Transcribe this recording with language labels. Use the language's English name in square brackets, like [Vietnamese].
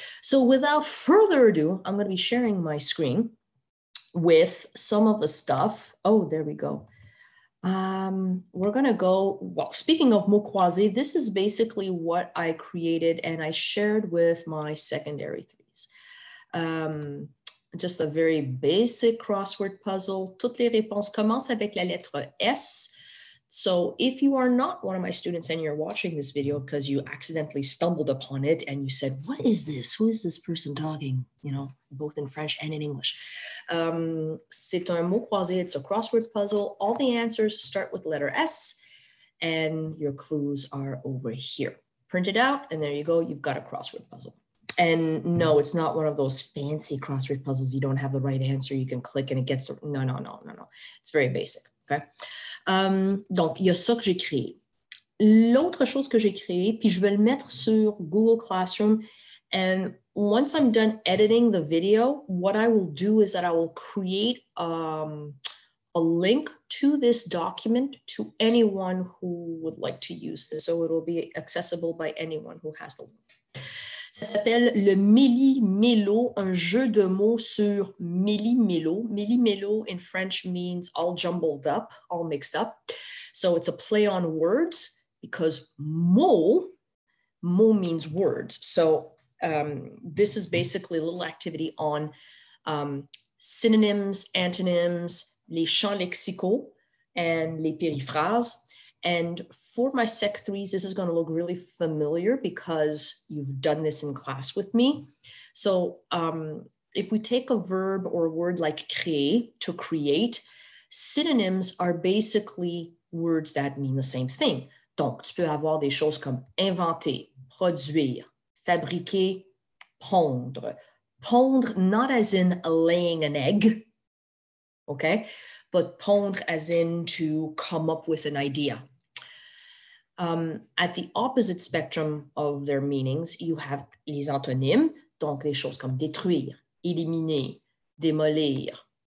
[English] So without further ado, I'm going to be sharing my screen with some of the stuff. Oh, there we go. We're going to go, well, speaking of mots croisés, this is basically what I created and I shared with my secondary threes. Just a very basic crossword puzzle. [French] Toutes les réponses commencent avec la lettre S. [English] So if you are not one of my students and you're watching this video because you accidentally stumbled upon it and you said, what is this? Who is this person talking? You know, both in French and in English. [French] C'est un mot croisé. [English] It's a crossword puzzle. All the answers start with letter S and your clues are over here. Print it out and there you go. You've got a crossword puzzle. And no, it's not one of those fancy crossword puzzles. If you don't have the right answer, you can click and it gets... No. It's very basic. Okay. [French] Donc, il y a ça que j'ai créé. L'autre chose que j'ai créé, puis je vais le mettre sur Google Classroom. [English] And once I'm done editing the video, what I will do is that I will create a link to this document to anyone who would like to use this. So it will be accessible by anyone who has the link. [French] Ça s'appelle le Méli Mélo, un jeu de mots sur Méli Mélo. [English] Méli Mélo in French means all jumbled up, all mixed up. So it's a play on words because mot means words. So this is basically a little activity on synonyms, antonyms, les champs lexicaux and les périphrases. And for my sec threes, this is going to look really familiar because you've done this in class with me. So if we take a verb or a word like créer, to create, synonyms are basically words that mean the same thing. [French] Donc, tu peux avoir des choses comme inventer, produire, fabriquer, pondre. [English] Pondre, not as in laying an egg, okay? But pondre as in to come up with an idea. At the opposite spectrum of their meanings, you have [French] les antonymes, donc les choses comme détruire, éliminer, démolir.